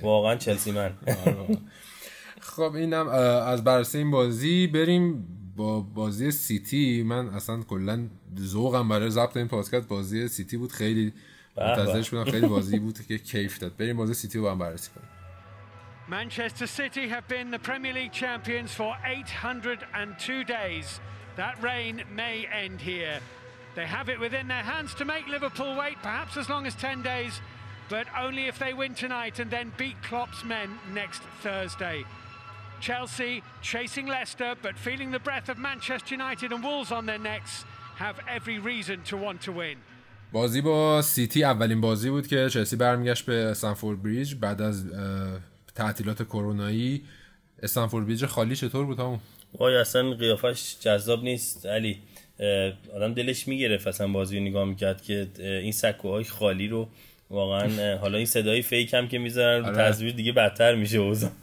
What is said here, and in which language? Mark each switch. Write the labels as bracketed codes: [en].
[fa] واقعا چلسی من. خب اینم از بررسی این بازی بریم با بازی سیتی. من اصلا کلا ذوقم برای ضبط این پادکست بازی سیتی بود. خیلی منتظرش بودم. خیلی بازی بود که کیف داد. بریم بازی سیتی رو با هم بررسی کنیم. [en] Manchester City have been the Premier League champions for 802 days. That reign may end here. They have it within their hands to make Liverpool wait, perhaps as long as 10 days, but only if they win tonight and then beat Klopp's men next Thursday. Chelsea, chasing Leicester, but feeling the breath of Manchester United and Wolves on their necks, have every reason to want to win. [fa] بازی با سیتی اولین بازی بود که چلسی برمیگشت به استنفورد بریج بعد از تعطیلات کرونایی. استنفورد بریج خالی چطور بود همون؟ وای اصلا قیافش جذاب نیست علی، آدم دلش میگرفت اصلا بازی رو نگاه میکرد که این سکوهای خالی رو واقعا، حالا این صدای فیک هم که میذارن رو تصویر دیگه بدتر میشه اوضاع.